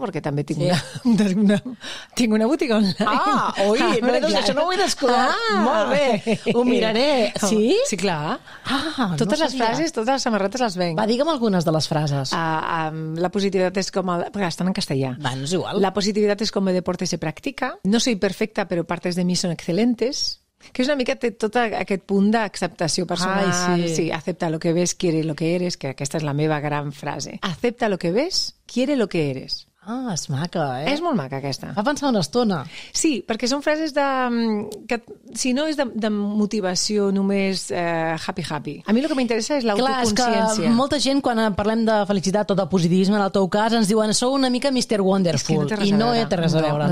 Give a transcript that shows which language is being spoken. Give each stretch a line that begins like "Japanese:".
Catalan: Perquè també tinc una botiga online. Ah, oi, això no ho he descobert. Ah, molt bé, ho miraré. Sí? Sí, clar. Ah, totes no les frases, totes les samarretes les venc. Va, digue'm algunes de les frases. La positivitat és com... Perquè estan en castellà. Va, no és igual. La positivitat és com
Spanish: el deporte se practica. No soy perfecta, pero partes de mí son excelentes.
Catalan: Que és una mica té tot aquest punt d'acceptació personal. Sí,
Spanish: acepta lo que ves, quiere lo que eres,
Catalan: que aquesta és la meva gran frase.
Spanish: Acepta lo que ves, quiere lo que eres.
Catalan: Ah, és maca, eh? És molt maca, aquesta. Fa pensar una estona. Sí, perquè són frases que, si no és de motivació, només happy. A mi el que m'interessa és l'autoconsciència. Clar, és que molta gent, quan parlem de felicitat o de positivisme, en el teu cas, ens diuen, sou una mica Mr. Wonderful. És que no té res a veure.